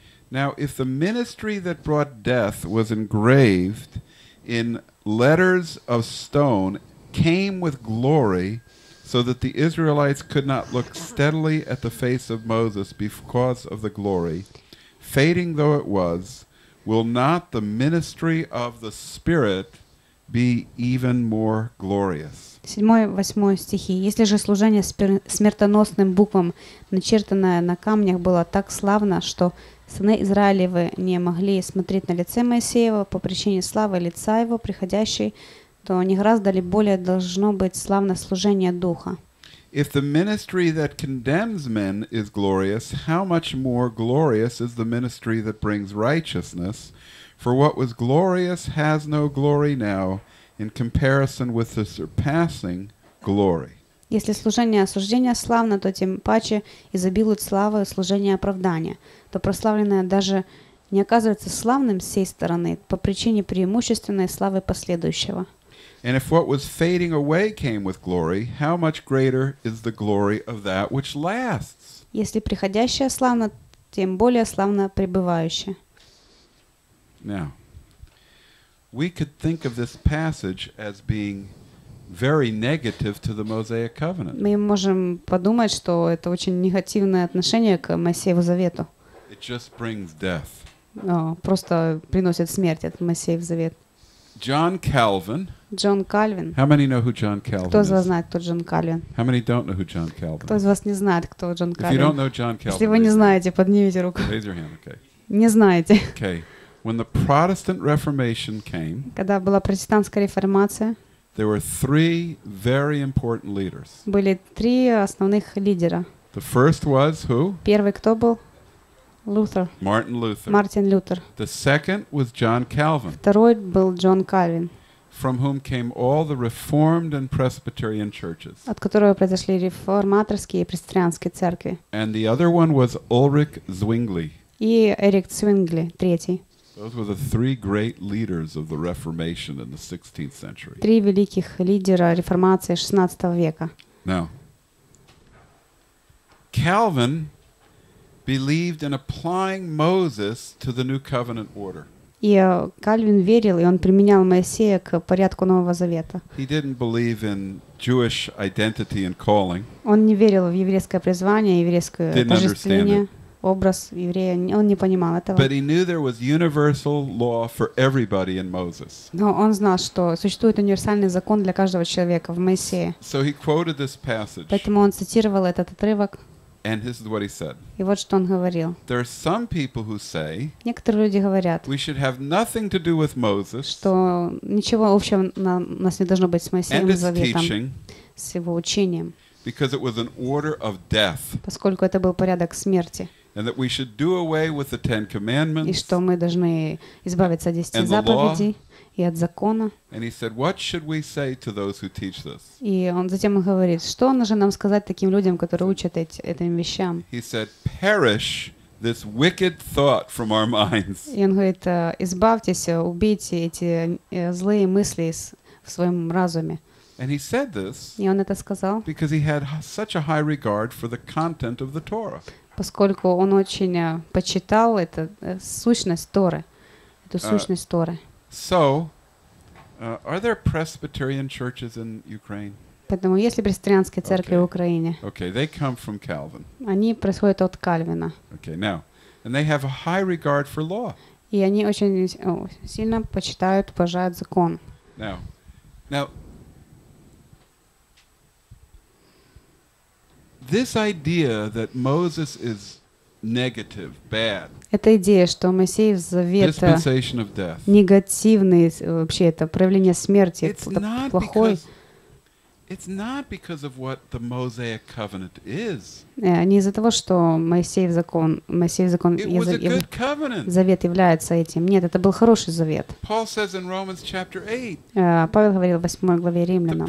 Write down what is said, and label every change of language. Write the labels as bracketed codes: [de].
[en] Now, if the ministry that brought death was engraved in letters of stone, came with glory, so that the Israelites could not look steadily at the face of Moses because of the glory, fading though it was, will not the ministry of the Spirit be even more glorious? [ru] 7-8 стихи. Если же служение смертоносным буквам, начертанное на камнях, было так славно, что сыны Израилевы не могли смотреть на лице Моисеева по причине славы лица его, приходящей, то не гораздо ли более должно быть славно служение Духа? [en] If the ministry that condemns men is glorious, how much more glorious is the ministry that brings righteousness? For what was glorious has no glory now in comparison with the surpassing glory. [ru] Если служение осуждения славно, то тем паче изобилует славы служение оправдания. То прославленное даже не оказывается славным с сей стороны по причине преимущественной славы последующего. [en] And if what was fading away came with glory, how much greater is the glory of that which lasts? [ru] Если приходящее славно, тем более славно пребывающее. [en] Now, we could think of this passage as being very negative to the Mosaic Covenant. [ru] Мы можем подумать, что это очень негативное отношение к Моисееву Завету. [en] It just brings death. [ru] Просто приносит смерть этот Моисеев Завет. [en] John Calvin. [ru] Джон Кальвин. [en] How many know who John Calvin? [ru] Кто из вас знает, кто Джон Кальвин? [en] How many don't know who John Calvin? [ru] Кто из вас не знает, кто Джон Кальвин? [en] If you don't know John Calvin, [ru] если вы не знаете, поднимите руку. [en] Raise your hand, okay. [ru] Не знаете. [en] Okay. When the Protestant Reformation came, [ru] когда была протестантская реформация, [en] there were three very important leaders. [ru] Были три основных лидера. [en] The first was who? [ru] Первый кто был? Лютер. Мартин Лютер. Мартин Лютер. [en] The second was John Calvin. [ru] Второй был Джон Кальвин. [en] From whom came all the Reformed and Presbyterian churches. [ru] От которого произошли реформаторские и пресвитерианские церкви. [en] And the other one was Ulrich Zwingli. [ru] И Эрик Цвингли, третий. [en] Those were the three great leaders of the Reformation in the 16th century. [ru] Три великих лидера реформации 16 века. [en] Now, Calvin believed in applying Moses to the new covenant order. [ru] И Кальвин верил, и он применял Моисея к порядку Нового Завета. [en] He didn't believe in Jewish identity and calling. [ru] Он не верил в еврейское призвание, еврейское тождествление. Образ еврея, он не понимал этого. [en] But he knew there was universal law for everybody in Moses. [ru] Но он знал, что существует универсальный закон для каждого человека в Моисее. [en] So he quoted this passage. [ru] Поэтому он цитировал этот отрывок. [en] And this is what he said. [ru] И вот что он говорил. [en] There are some people who say. [ru] Некоторые люди говорят. [en] We should have nothing to do with Moses. [ru] Что ничего общего у нас не должно быть с Моисеем [en] and [ru] Заветом. [en] Teaching, [ru] с его учением. [en] Because it was an order of death. [ru] Поскольку это был порядок смерти. [en] And that we should do away with the Ten Commandments. [ru] И что мы должны избавиться от 10 заповедей и от закона. [en] And he said, what should we say to those who teach this? [ru] И он затем говорит, что нужно нам сказать таким людям, которые учат этим вещам? [en] He said, perish this wicked thought from our minds. [ru] И он говорит, избавьтесь, убейте эти злые мысли в своем разуме. [en] And he said this. [ru] И он это сказал. [en] Because he had such a high regard for the content of the Torah. [ru] Поскольку он очень почитал это сущность Торы, эту сущность Торы. [en] So, are there Presbyterian churches in Ukraine? [ru] Поэтому есть ли пресвитерианские церкви в Украине? [en] Okay, they come from Calvin. [ru] Они происходят от Кальвина. [en] Okay, now, and they have a high regard for law. [ru] И они очень сильно почитают, уважают закон. [en] Now, this idea that Moses is negative, bad. [ru] Эта идея, что Моисей в завете негативный, вообще это проявление смерти, это плохой. [en] It's not because of what the Mosaic covenant is. [ru] Не из-за того, что Моисеев закон завет является этим. Нет, это был хороший завет. [en] Paul says in Romans chapter 8. [ru] Павел говорил в 8 главе Римлянам.